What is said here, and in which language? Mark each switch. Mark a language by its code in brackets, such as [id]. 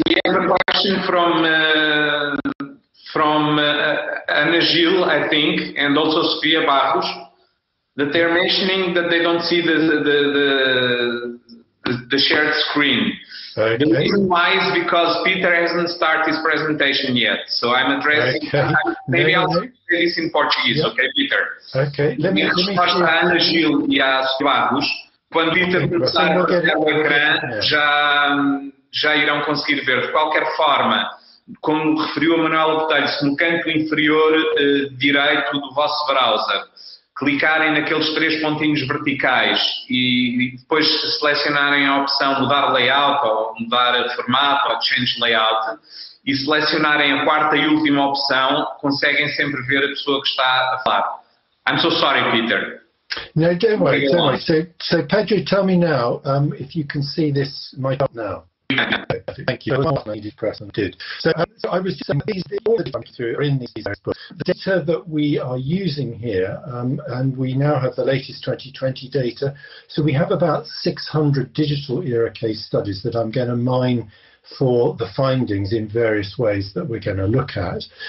[en] We have a question from Ana Gil, I think, and also Sofia Barros, that they're mentioning that they don't see the shared screen. Okay. The reason why is because Peter hasn't started his presentation yet. So I'm addressing, okay. Maybe I'll say this in Portuguese, yep. Okay, Peter? Okay, let me [pt] a Ana Gil e a Sofia Barros, quando Peter começar a ver o ecrã, já irão conseguir ver. De qualquer forma, como referiu a Manuela Botelho, se no canto inferior direito do vosso browser clicarem naqueles 3 pontinhos verticais e depois selecionarem a opção mudar layout ou mudar formato ou change layout e selecionarem a 4ª e última opção, conseguem sempre ver a pessoa que está a falar. [en] I'm so sorry, Peter. No, don't worry. Don't worry. So, Pedro, tell me now if you can see this, my chart now. Thank you. So I was just saying, all the time through are in these books. The data that we are using here, and we now have the latest 2020 data, so we have about 600 digital era case studies that I'm going to mine for the findings in various ways that we're going to look at.